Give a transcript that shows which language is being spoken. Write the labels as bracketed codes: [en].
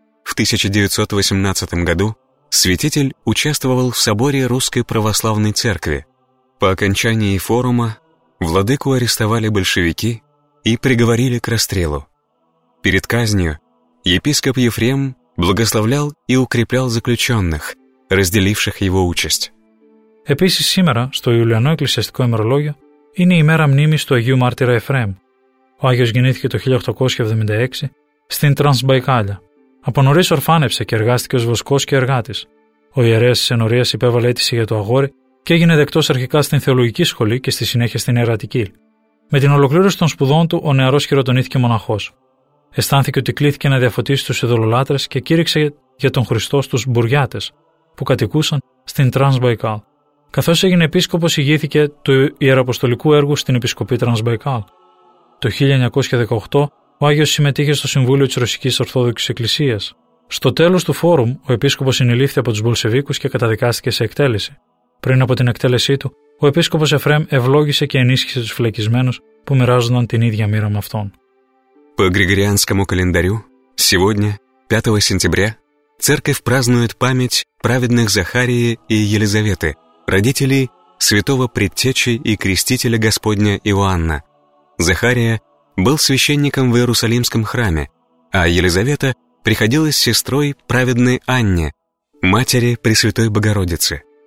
[ru] В 1918 году святитель участвовал в соборе Русской Православной Церкви. По окончании форума владыку арестовали большевики и приговорили к расстрелу. Перед казнью епископ Ефрем благословлял и укреплял заключенных, разделивших его участь. [el] Επίσης σήμερα, στο Ιουλιανό Εκκλησιαστικό ημερολόγιο, είναι η ημέρα μνήμης του Αγίου Μάρτυρα Εφραίμ. Ο Άγιος γεννήθηκε το 1876 στην Τρανσμπαϊκάλια. Από νωρίς ορφάνεψε και εργάστηκε ως βοσκός και εργάτης. Ο ιερέας της ενορίας υπέβαλε αίτηση για το αγόρι και έγινε δεκτός αρχικά στην θεολογική σχολή και στη συνέχεια στην ιερατική. Με την ολοκλήρωση των σπουδών του, ο νεαρός χειροτονήθηκε μοναχός. Αισθάνθηκε ότι κλήθηκε να διαφωτίσει τους ειδωλολάτρες και κήρυξε για τον Χριστό στους μπουριάτες που κατοικούσαν στην Τρανσμπαϊκάλ. Καθώς έγινε επίσκοπος, ηγήθηκε του ιεραποστολικού έργου στην Επισκοπή Τρανσμπαϊκάλ. Το 1918 ο Άγιος συμμετείχε στο Συμβούλιο της Ρωσικής Ορθόδοξης Εκκλησίας. Στο τέλος του φόρουμ, ο επίσκοπος συνελήφθη από τους Μπολσεβίκους και καταδικάστηκε σε εκτέλεση. Πριν από την εκτέλεσή του, ο επίσκοπος Εφρέμ ευλόγησε και ενίσχυσε τους φυλακισμένους που μοιράζονταν την ίδια μοίρα με αυτόν. [ru] По Григорианскому календарю, сегодня, 5 сентября, церковь празднует память праведных Захарии и Елизаветы, родителей святого предтечи и крестителя Господня Иоанна. Захария был священником в Иерусалимском храме, а Елизавета приходилась сестрой праведной Анне, матери Пресвятой Богородицы.